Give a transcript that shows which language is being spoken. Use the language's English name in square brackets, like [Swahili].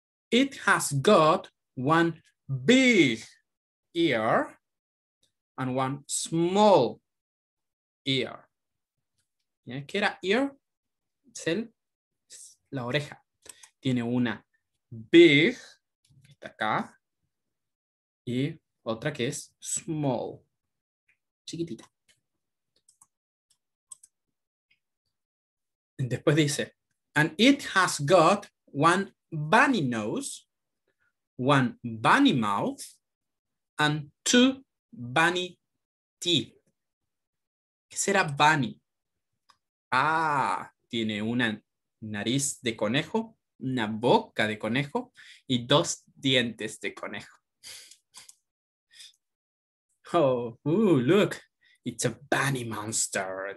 [English] It has got one big ear and one small ear. [Spanish] ¿Ya? ¿Qué era ear? La oreja. Tiene una big, que está acá, y otra que es small, chiquitita. Después dice, [English] and it has got one bunny nose, one bunny mouth, and two bunny teeth. [Spanish] ¿Qué será bunny? Ah, tiene una nariz de conejo, una boca de conejo y dos dientes de conejo. [English] Oh, look, it's a bunny monster.